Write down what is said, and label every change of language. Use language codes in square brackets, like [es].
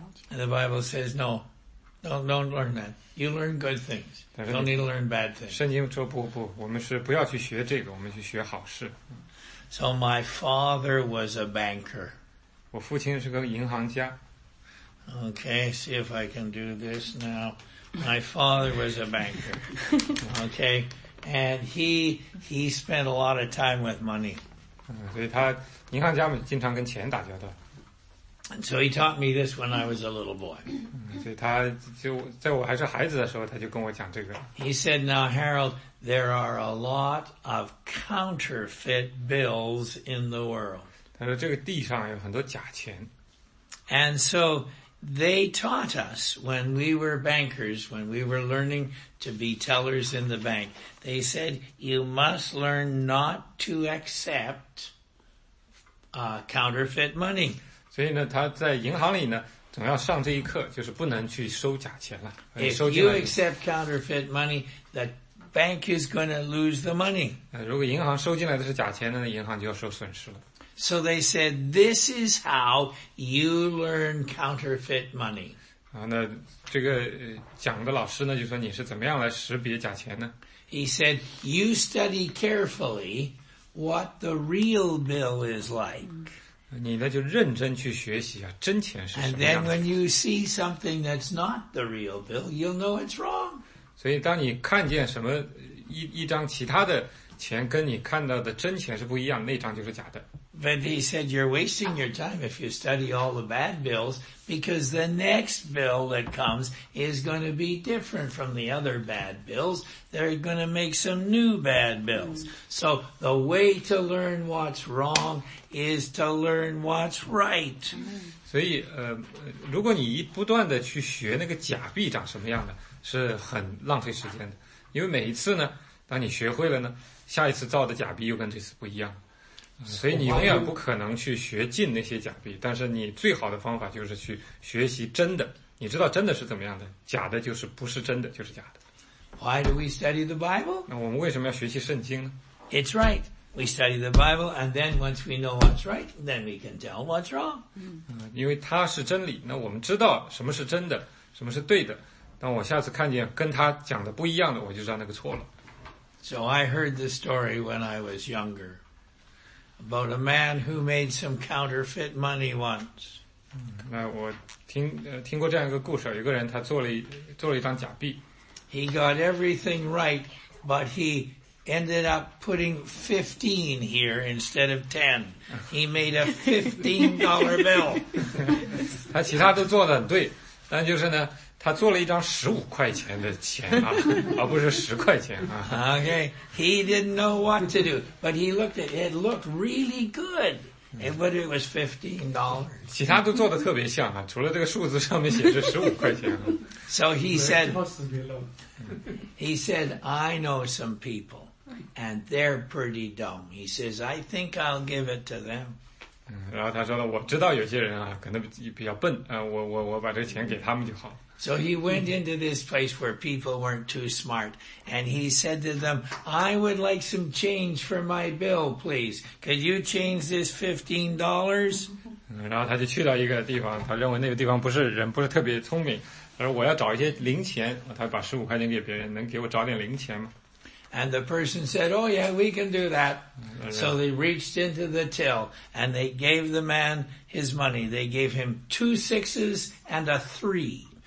[en] And the Bible says, no, don't learn that. You learn good things. Don't need to learn bad things. [zh] 圣经说不不，我们是不要去学这个，我们去学好事。 [en] So my father was a banker. [zh] 我父亲是个银行家。 [en] Okay, see if I can do this now. My father was a banker. Okay, and he spent a lot of time with money. [zh] 所以他银行家们经常跟钱打交道。 [en] And so he taught me this when I was a little boy. [zh] 所以他就在我还是孩子的时候，他就跟我讲这个。 [en] He said, "Now, Harold, there are a lot of counterfeit bills in the world." [zh] 他说这个地上有很多假钱。 [en] And so they taught us when we were bankers, when we were learning to be tellers in the bank, they said, "You must learn not to accept counterfeit money." [zh] 所以呢，他在银行里呢，总要上这一课，就是不能去收假钱了。 [en] If you accept counterfeit money, the bank is going to lose the money. [zh] 如果银行收进来的是假钱呢，银行就要受损失了。 [en] So they said, this is how you learn counterfeit money. [zh] 那这个讲的老师呢，就说你是怎么样来识别假钱呢？ [en] He said, you study carefully what the real bill is like. [zh] 你呢，就认真去学习啊，真钱是什么样的。 [en] And then when you see something that's not the real bill, you'll know it's wrong. [zh] 所以当你看见什么一张其他的钱跟你看到的真钱是不一样，那张就是假的。 [en] But he said, you're wasting your time if you study all the bad bills, because the next bill that comes is going to be different from the other bad bills. They're going to make some new bad bills. So the way to learn what's wrong is to learn what's right. [zh] 所以如果你不断的去学那个假币长什么样的，是很浪费时间的。因为每一次呢，当你学会了呢，下一次造的假币又跟这次不一样。所以你永远不可能去学尽那些假币，但是你最好的方法就是去学习真的。你知道真的是怎么样的，假的就是不是真的就是假的。 [en] Why do we study the Bible? [zh] 那我们为什么要学习圣经呢？ [en] It's right. We study the Bible, and then once we know what's right, then we can tell what's wrong. [zh] 因为它是真理，那我们知道什么是真的，什么是对的。当我下次看见跟他讲的不一样的，我就知道那个错了。 [en] So I heard the story when I was younger. About a man who made some counterfeit money once. [zh] 那我听过这样一个故事，有个人他做了一张假币。 [en] He got everything right, but he ended up putting 15 here instead of 10. He made a $15 bill. [zh] 他其他都做得很对，但就是呢，他做了一张15块钱的钱啊，而不是10块钱啊。 [en] Okay, he didn't know what to do, but he looked at it, it looked really good. But it was $15. [zh] 其他都做得特别像啊，除了这个数字上面写着15块钱啊。 [en] So he said, he said, I know some people, and they're pretty dumb. He says, I think I'll give it to them. [zh] 然后他说了，我知道有些人啊，可能比较笨，我把这个钱给他们就好。 [en] So he went into this place where people weren't too smart, and he said to them, I would like some change for my bill, please. Could you change this $15? [zh] 然后他就去到一个地方，他认为那个地方不是人不是特别聪明，他说我要找一些零钱，他把15块钱给别人，能给我找点零钱吗？ [en] And the person said, oh yeah, we can do that. So they reached into the till and they gave the man his money. They gave him 2 sixes and a 3.